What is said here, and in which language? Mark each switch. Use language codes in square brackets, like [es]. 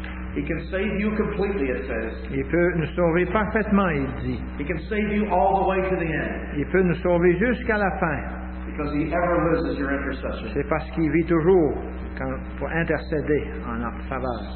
[en] He can save you completely, it says. [fr] Il peut nous sauver parfaitement, il dit. [en] He can save you all the way to the end. [fr] Il peut nous sauver jusqu'à la fin. [en] Because he ever loses your intercession. [fr] C'est parce qu'il vit toujours quand, pour intercéder en notre faveur.